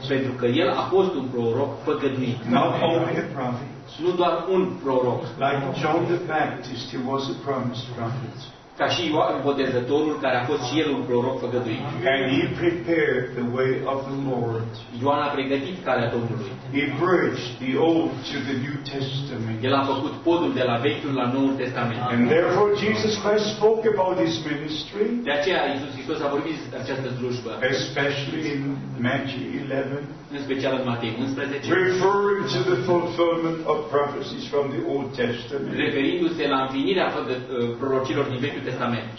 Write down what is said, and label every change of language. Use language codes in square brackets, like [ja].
[ro] Pentru că el a fost un proroc făgăduit. [en] Not only a prophet. [ro] Nu doar un proroc. [en] Like John the Baptist, he was a promised prophet. [ro] Ca și Ioan Botezătorul, care a fost și el un proroc făgăduit. [en] And he prepared the way of the Lord. [ro] Ioan a pregătit calea Domnului. [en] He bridged the Old to the New Testament. [ro] El a făcut podul de la Vechiul la Noul Testament. [en] And therefore Jesus Christ spoke about his ministry. [ro] De aceea Iisus Hristos a vorbit despre această slujbă. [en] Especially in Matthew 11. [ro] În special în Matei 11. [en] Referring to the fulfillment of prophecies from the Old Testament. [ro] Referindu-se la împlinirea prorocilor din Vechiul Testament.